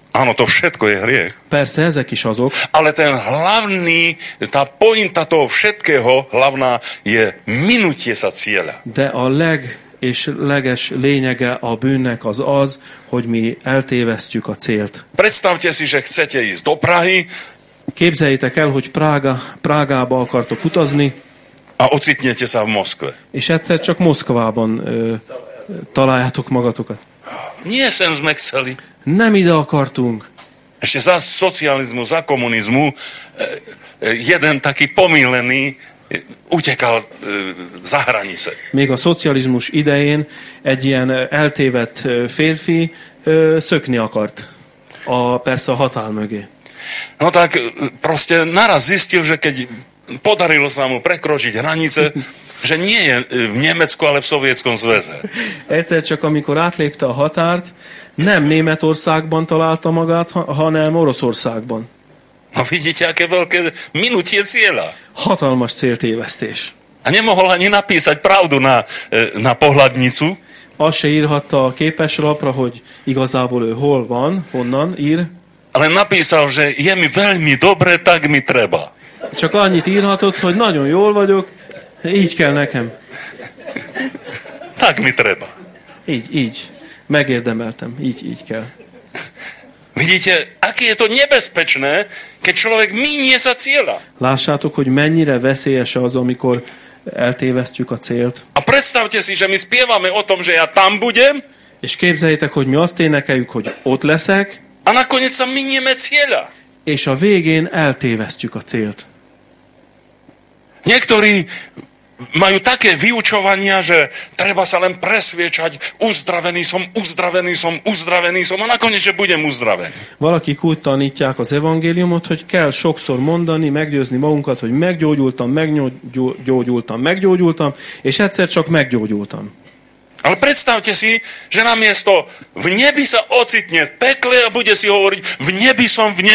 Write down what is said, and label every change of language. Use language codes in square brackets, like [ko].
[sk] Áno, to všetko je hriech. [hu] Persze, ezek is azok. [sk] Ale ten hlavný, tá pointa toho všetkého, hlavná je minutie sa cieľa. [hu] De a leges lényege a bűnnek az az, hogy mi eltévesztjük a célt. [sk] Predstavte si, že chcete ísť do Prahy. [hu] Képzeljétek el, hogy Prágába akartok utazni. [sk] A ocitnete sa v Moszkve. [hu] És egyszer csak Moszkvában találjátok magatokat. [sk] Nie sem sme chceli. [hu] Nem ide akartunk. [sk] Ešte za socializmu, za komunizmu jeden taký pomílený utekal za hranice. [hu] Még a szocializmus idején egy ilyen eltévedt férfi szökni akart. Persze a határ mögé. [sk] No tak proste naraz zistil, že keď podarilo sa mu prekročiť hranice, že nie je v Nemecku, ale v Sovietskom zväze. [hu] Egyszer csak amikor átlépte a határt, nem Németországban találta magát, hanem Oroszországban. [sk] A vidíte, aké veľké minutie cieľa. [hu] Hatalmas céltévesztés. [sk] A nemohol ani napísať pravdu na pohľadnicu. [hu] Azt se írhatta a képes lapra, hogy igazából ő hol van, honnan ír. [sk] Ale napísal, že je mi veľmi dobre, tak mi treba. [hu] Csak annyit írhatott, hogy nagyon jól vagyok, így kell nekem. [sk] Tak mi treba. [hu] Így. Megérdemeltem, így kell. [sk] Vidíte, aké je to nebezpečné, keď človek minie sa cieľa. [hu] Lássátok, hogy mennyire veszélyes az, amikor eltévesztjük a célt. [sk] A predstavte si, že my spievame o tom, že ja tam budem. [hu] És képzeljétek, hogy mi azt énekeljük, hogy ott leszek. [sk] A nakoniec sa minieme cieľa. [hu] És a végén eltévesztjük a célt. [sk] Niektorí majú také vyučovania, že treba sa len presviečať, uzdravený som, a nakoniec, že budem uzdravený. [hu] Valaki úgy tanítják az evangéliumot, hogy kell sokszor mondani, meggyőzni magunkat, hogy meggyógyultam, és egyszer csak meggyógyultam. [sk] Ale predstavte si, že namiesto v nebi sa ocitne v pekle a bude si hovoriť v nebi som.